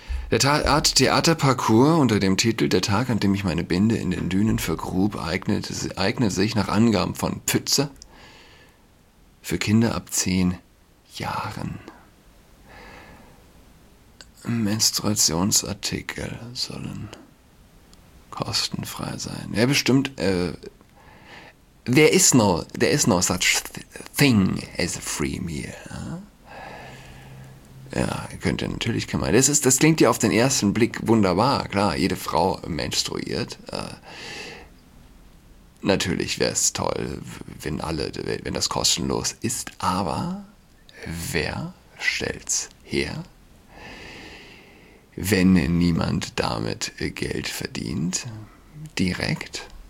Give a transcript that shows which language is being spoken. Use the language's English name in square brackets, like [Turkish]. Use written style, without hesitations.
[German] Der Theaterparcours unter dem Titel »Der Tag, an dem ich meine Binde in den Dünen vergrub« eignet sich nach Angaben von Pfütze für Kinder ab 10 Jahren. Menstruationsartikel sollen kostenfrei sein. Ja, bestimmt, [English] there is no such thing as a free meal. [German] Ja, könnt ihr natürlich kümmern. Das klingt ja auf den ersten Blick wunderbar. Klar, jede Frau menstruiert. Natürlich wäre es toll, wenn das kostenlos ist. Aber wer stellt's her, wenn niemand damit Geld verdient? Direkt.